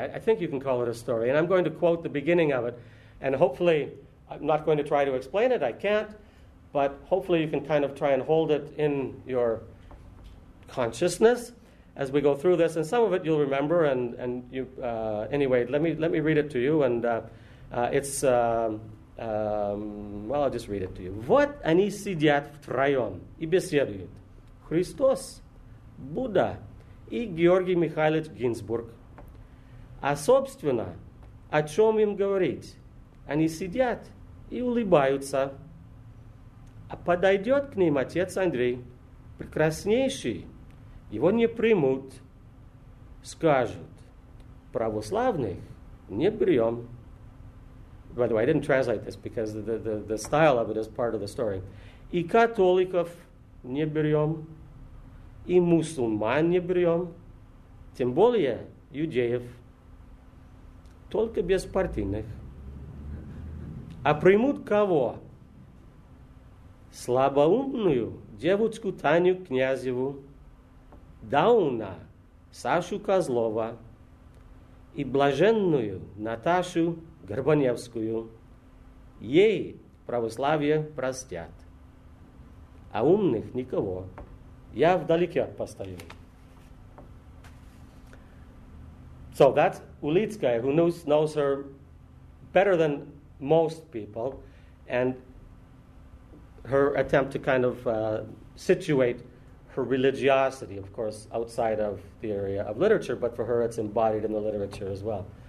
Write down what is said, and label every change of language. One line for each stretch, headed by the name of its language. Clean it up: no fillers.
English: I think you can call it a story, and I'm going to quote the beginning of it, and hopefully, I'm not going to try to explain it, I can't, but hopefully you can kind of try and hold it in your consciousness as we go through this, and some of it you'll remember, let me read it to you, and I'll just read it to you.
Russian: Вот они сидят втроем и беседуют. Христос, Будда и Георгий Михайлович Гинзбург. А, собственно, о чем им говорить? Они сидят и улыбаются. А подойдет к ним отец Андрей, прекраснейший. Его не примут. Скажут, православных не берем.
English: By the way, I didn't translate this because the style of it is part of the story.
Russian: И католиков не берем. И мусульман не берем, тем более иудеев, только беспартийных. А примут кого? Слабоумную девочку Таню Князеву, Дауна Сашу Козлова и блаженную Наташу Горбаневскую. Ей православие простят, а умных никого. Я вдалеке постою.
English: So that's Ulitskaya, who knows her better than most people, and her attempt to kind of situate her religiosity, of course, outside of the area of literature, but for her it's embodied in the literature as well.